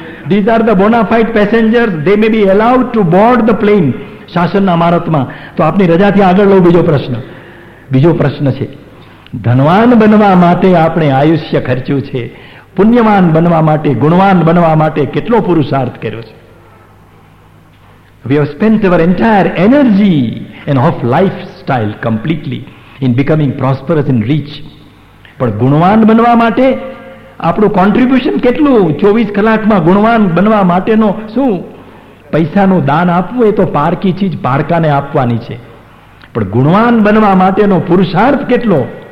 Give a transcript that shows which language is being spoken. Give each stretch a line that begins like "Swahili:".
English: these are the bona fide passengers, they may be allowed to board the plane
Gujarati: શાસનના અમારતમાં. તો આપની રજાથી આગળ લઉં બીજો પ્રશ્ન. બીજો પ્રશ્ન છે, ધનવાન બનવા માટે આપણે આયુષ્ય ખર્ચ્યું છે, પુણ્યવાન બનવા માટે, ગુણવાન બનવા માટે કેટલો પુરુષાર્થ કર્યો છે?
English: We have spent our entire energy and of lifestyle completely in becoming prosperous and rich.
Gujarati: પણ ગુણવાન બનવા માટે આપણું કોન્ટ્રીબ્યુશન કેટલું? 24 કલાકમાં ગુણવાન બનવા માટેનો શું? પૈસાનું દાન આપવું એ તો પારકી ચીજ, પારકાને આપવાની છે, પણ ગુણવાન બનવા માટેનો પુરુષાર્થ કેટલો?